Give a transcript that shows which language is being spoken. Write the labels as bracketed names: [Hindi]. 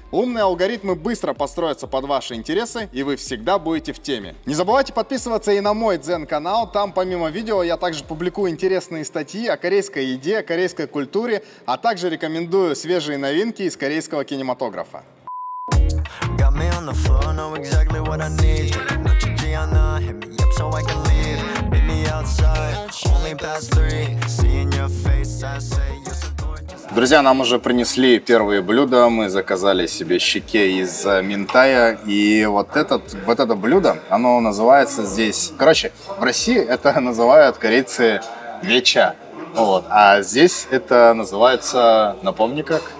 [Russian] Умные алгоритмы быстро подстроятся под ваши интересы, и вы всегда будете в теме. Не забывайте подписываться и на мой Дзен-канал. Там, помимо видео, я также публикую интересные статьи о корейской еде, корейской культуре, а также рекомендую свежие новинки из корейского кинематографа. [English] Got me on the floor, know exactly what I need. No Gianna, hit me up so I can leave. Meet me outside, only past three. Seeing your face, I say you're so. [Russian] Друзья, нам уже принесли первые блюда. Мы заказали себе щеке из минтая. И вот это блюдо, оно называется здесь... Короче, в России это называют корейцы веча. Вот. А здесь это называется, напомни как?